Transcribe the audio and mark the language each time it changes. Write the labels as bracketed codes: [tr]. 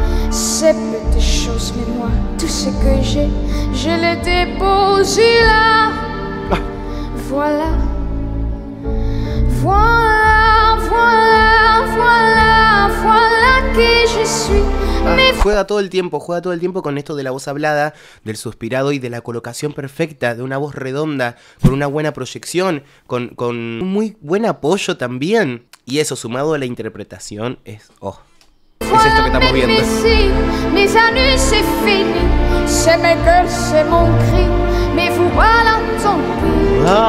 [fr] C'est peu de choses, mais moi, tout ce que j'ai, je l'ai déposé là. Voilà. Voilà, voilà, voilà qui je suis. [es] Juega todo el tiempo con esto de la voz hablada, del suspirado y de la colocación perfecta, de una voz redonda, con una buena proyección, con un muy buen apoyo también. Y eso, sumado a la interpretación, es... ¡oh! Es esto que estamos viendo. [fr] Mes années c'est fini, c'est mes cœurs, c'est mon cri, mais vous voilà tant pis.